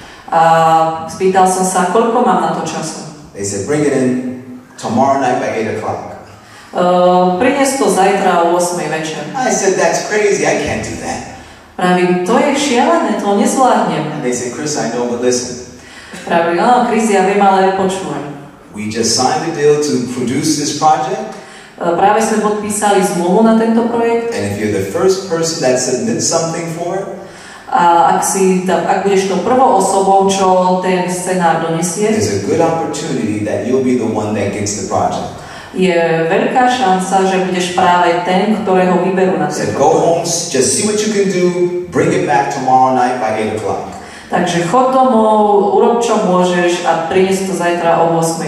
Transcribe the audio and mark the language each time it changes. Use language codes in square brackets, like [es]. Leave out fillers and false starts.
[sk] A spýtal som sa, koľko mám na to času? [en] They said, bring it in tomorrow night by 8 o'clock. [sk] Prinies to zajtra o 8 večer. [en] I said, that's crazy, I can't do that. [sk] Pravím, to je šialené, to nezvládnem. [en] And they said, Chris, I know, but listen. [sk] Pravím, no, Chris, ja viem, ale počujem. [en] We just signed a deal to produce this project. [sk] Práve sme podpísali zmluvu na tento projekt. [en] And if you're the first person that submits something for it, [sk] ak budeš tou prvou osobou, čo ten scenár donesie, [en] there's a good opportunity that you'll be the one that gets the project. [sk] Je veľká šanca, že budeš práve ten, ktorého vyberú na tento [en] projekt. So go home, just see what you can do, bring it back tomorrow night by 8 o'clock. [sk] Takže chod domov, urob čo môžeš a prinies to zajtra o 8